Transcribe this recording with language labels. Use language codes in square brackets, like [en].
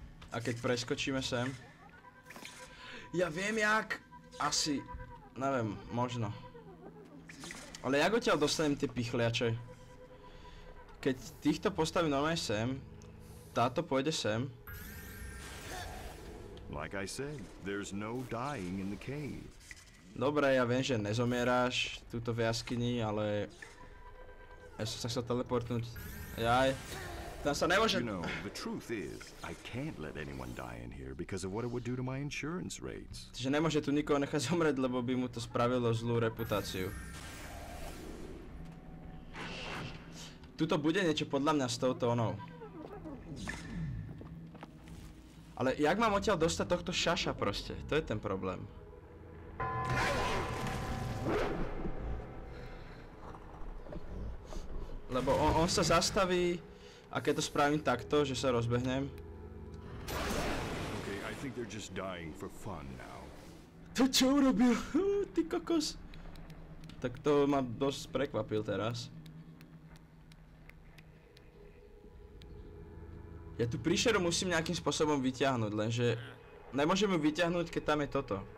[sk] A keď preskočíme sem... Ja viem jak... Asi... Neviem, možno. Ale jak odtiaľ dostanem tie pichliače? Keď týchto postavím normálne sem... Táto pôjde sem. [en] Like I said, there's no dying in the cave. [sk] Dobre, ja viem, že nezomieráš túto v jaskyni, ale... Ja som sa chcel teleportnúť. Jaj. Tam sa nemôže... [en] You know, the truth is, I can't let anyone die in here because of what it would do to my insurance rates. [sk] Čiže nemôže tu nikoho nechať zomrieť, lebo by mu to spravilo zlú reputáciu. Tuto bude niečo podľa mňa s touto onou. Ale jak mám odtiaľ dostať tohto šaša proste? To je ten problém. Lebo on sa zastaví, a keď to spravím takto, že sa rozbehnem. [en] Okay, I think they're just dying for fun now. [sk] To čo urobil? Ty kokos. Tak to ma dosť prekvapil teraz. Ja tu príšeru musím nejakým spôsobom vyťahnuť, lenže... Nemôžem ju vyťahnuť, keď tam je toto.